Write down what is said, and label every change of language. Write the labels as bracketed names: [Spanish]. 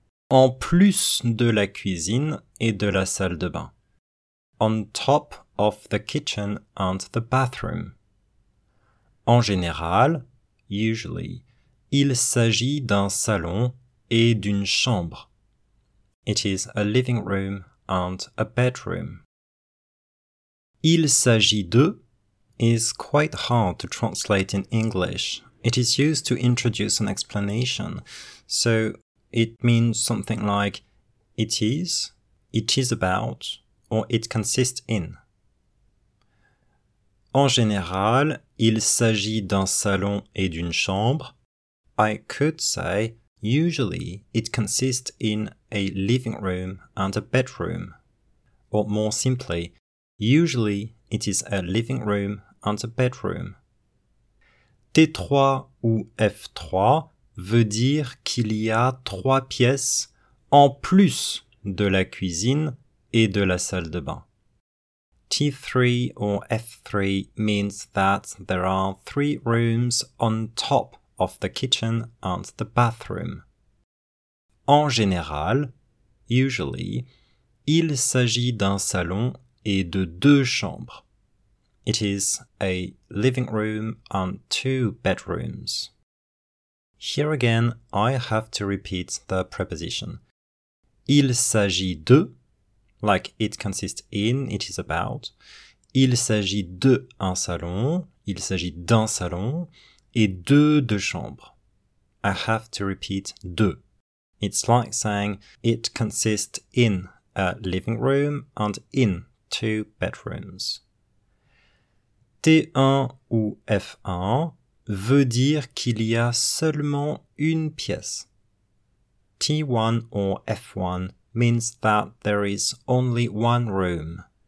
[French] En plus de la cuisine et de la salle de bain. [English] On top of the kitchen and the bathroom. [French] En général, usually, il s'agit d'un salon et d'une chambre. [English] It is a living room and a bedroom. Il s'agit de is quite hard to translate in English. It is used to introduce an explanation. So it means something like it is about, or it consists in. [French] En général, il s'agit d'un salon et d'une chambre. [English] I could say, usually, it consists in a living room and a bedroom. Or more simply, usually, it is a living room and a bedroom. [French] T3 ou F3 veut dire qu'il y a trois pièces en plus de la cuisine et de la salle de bain. [English] T3 or F3 means that there are three rooms on top of the kitchen and the bathroom. [French] En général, usually, il s'agit d'un salon et de deux chambres. [English] It is a living room and two bedrooms. Here again, I have to repeat the preposition. Il s'agit de, like it consists in, it is about. [French] Il s'agit de un salon, il s'agit d'un salon, et de chambres. [English] I have to repeat de. It's like saying it consists in a living room and in two bedrooms. [French] T1 ou F1 veut dire qu'il y a seulement une pièce. [English] T1 or F1 means that there is only one room.